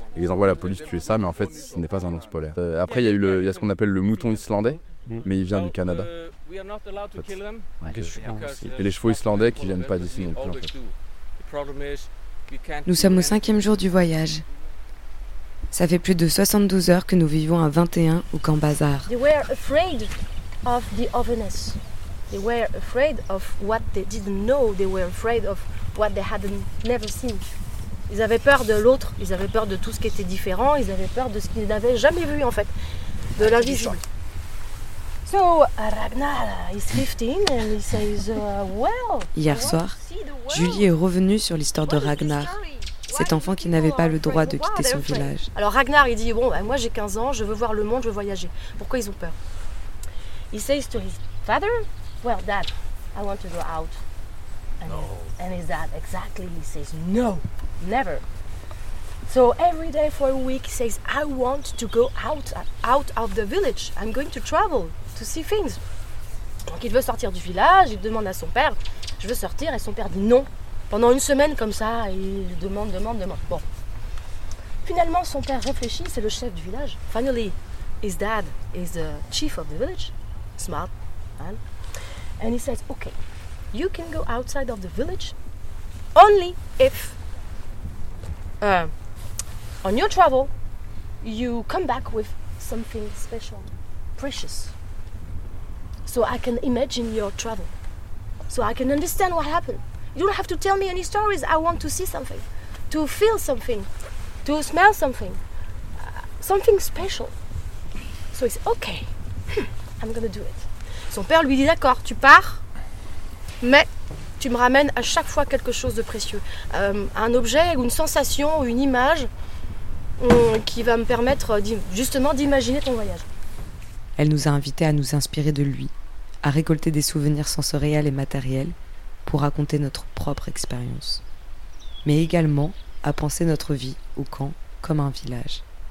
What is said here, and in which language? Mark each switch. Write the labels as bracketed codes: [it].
[fr] Et ils envoient la police tuer ça, mais en fait, ce n'est pas un ours polaire. Après, il y a ce qu'on appelle le mouton islandais. Mais il vient du Canada. Et les chevaux islandais qui viennent pas d'ici non plus. En fait. Nous sommes au cinquième jour du voyage. Ça fait plus de 72 heures que nous vivons à 21 au camp Bazar. [en] They were afraid of the ovenness. They were afraid of what they didn't know. They were afraid of what they hadn't never seen. [fr] Ils avaient peur de l'autre. Ils avaient peur de tout ce qui était différent. Ils avaient peur de ce qu'ils n'avaient jamais vu en fait, de l'invisible. [en] So Ragnar is 15 and he says [fr] Hier soir, Julie est revenue sur l'histoire de Ragnar, cet enfant qui n'avait pas le droit de quitter son village. Alors Ragnar il dit bon ben, moi j'ai 15 ans, je veux voir le monde, je veux voyager. Pourquoi ils ont peur? [en] He says to his father, well dad, I want to go out. And his dad exactly he says no, never. So every day for a week he says I want to go out of the village. I'm going to travel. To see things. [fr] Donc il veut sortir du village, il demande à son père, je veux sortir, et son père dit non. Pendant une semaine comme ça, il demande. Bon. Finalement, son père réfléchit, c'est le chef du village. [en] Finally, his dad is the chief of the village. Smart man. And he says, okay, you can go outside of the village only if on your travel, you come back with something special, precious. So I can imagine your travel. So I can understand what happened. You don't have to tell me any stories. I want to see something, to feel something, to smell something, something special. So he said, okay, I'm going to do it. [fr] Son père lui dit, d'accord, tu pars, mais tu me ramènes à chaque fois quelque chose de précieux. Un objet ou une sensation ou une image qui va me permettre justement d'imaginer ton voyage. Elle nous a invités à nous inspirer de lui, à récolter des souvenirs sensoriels et matériels pour raconter notre propre expérience, mais également à penser notre vie au camp comme un village.